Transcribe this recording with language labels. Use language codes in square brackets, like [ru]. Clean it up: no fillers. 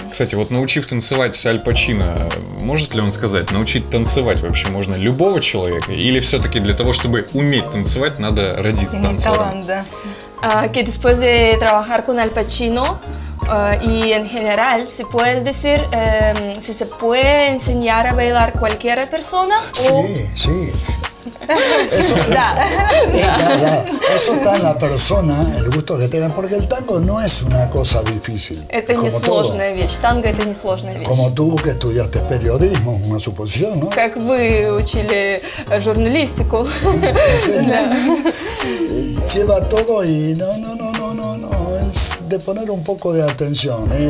[ru] Кстати, вот научив танцевать Аль Пачино, может ли он сказать, научить танцевать вообще можно любого человека? Или все-таки для того, чтобы уметь танцевать, надо родиться танцором? [es] Que después de trabajar con Al Pacino y en general, si puedes decir, si se puede enseñar a bailar cualquier persona. Sí. Eso está en la persona, el gusto que tenga, porque el tango no es una cosa difícil. [ru] Это не сложная вещь. Танго это не сложная вещь. [es] Como tú que estudiaste periodismo, una suposición, ¿no? [ru] Как вы учили журналистику. [es] Sí. [ru] Да. [es] Lleva todo y no, es de poner un poco de atención.